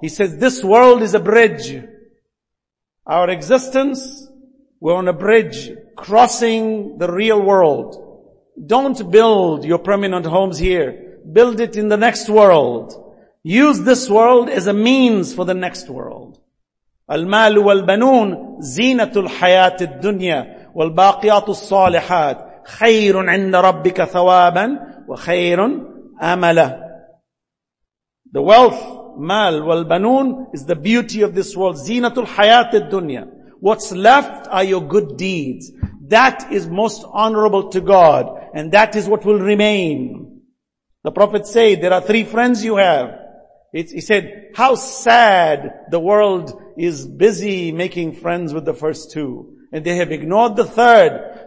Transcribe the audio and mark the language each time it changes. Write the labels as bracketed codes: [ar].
[en] He says, this world is a bridge. Our existence, we're on a bridge crossing the real world. Don't build your permanent homes here. Build it in the next world. Use this world as a means for the next world. [ar] المال والبنون زينة الحياة الدنيا والباقيات الصالحات خير عند ربك ثوابا وخير أملا. [en] The wealth, [ar] مال والبنون, [en] is the beauty of this world. [ar] زينة الحياة الدنيا. [en] What's left are your good deeds. That is most honorable to God, and that is what will remain. The Prophet said, there are three friends you have. He said, how sad the world is busy making friends with the first two, and they have ignored the third.